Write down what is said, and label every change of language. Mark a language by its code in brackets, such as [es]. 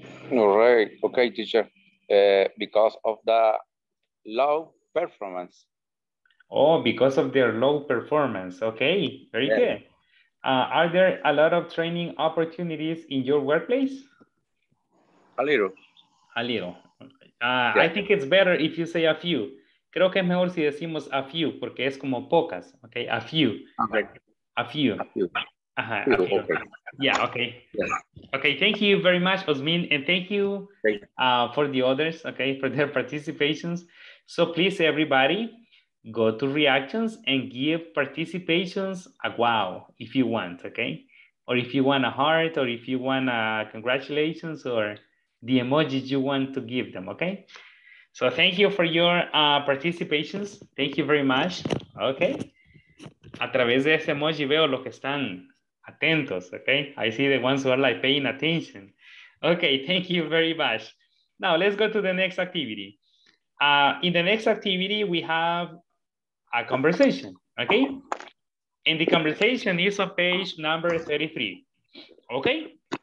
[en] All right, okay, teacher. Because of the low performance. Oh, because of their low performance. Okay, very good. Are there a lot of training opportunities in your workplace? A little. A little. Yeah. I think it's better if you say a few. [es] Creo que es mejor si decimos [en] a few, [es] porque es como pocas, okay? [en] A few. Okay. A few. A few. Okay. Yeah, okay. Yeah. Okay, thank you very much, Osmin, and thank you for the others, okay, for their participations. So please, everybody, go to reactions and give participations a wow if you want, okay? Or if you want a heart, or if you want a congratulations, or the emojis you want to give them, okay? So thank you for your participations. Thank you very much. Okay. [es] A través de ese emoji veo los que están atentos. [en] Okay. I see the ones who are like paying attention. Okay. Thank you very much. Now let's go to the next activity. In the next activity, we have a conversation. Okay. And the conversation is on page number 33. Okay.